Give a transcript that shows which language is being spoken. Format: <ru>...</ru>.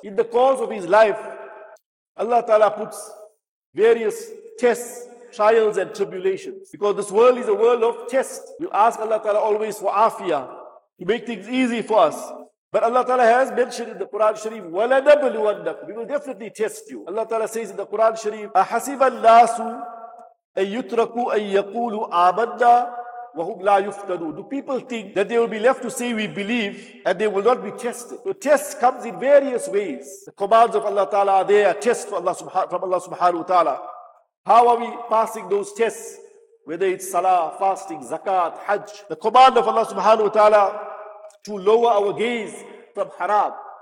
<en>In the course of his life, Allah ta'ala puts various tests trials and tribulations. Because this world is a world of tests. We ask Allah Ta'ala always for afiyah, to make things easy for us. But Allah Ta'ala has mentioned in the Quran Sharif, وَلَنَبْلُوَنَّكُمْ, we will definitely test you. Allah Ta'ala says in the Quran Sharif,</en> <ar>أَحَسِبَ النَّاسُ أَن يُتْرَكُوا أَن يَقُولُوا آمَنَّا وَهُمْ لَا يُفْتَنُونَ.</ar> <en>Do people think that they will be left to say we believe and they will not be tested? So test comes in various ways. The commands of Allah Ta'ala are there, a test from Allah Subhanahu Wa Ta'ala. How are we passing those tests? Whether it's salah, fasting, zakat, hajj. The command of Allah Subhanahu Wa Ta'ala to lower our gaze from haram.</en>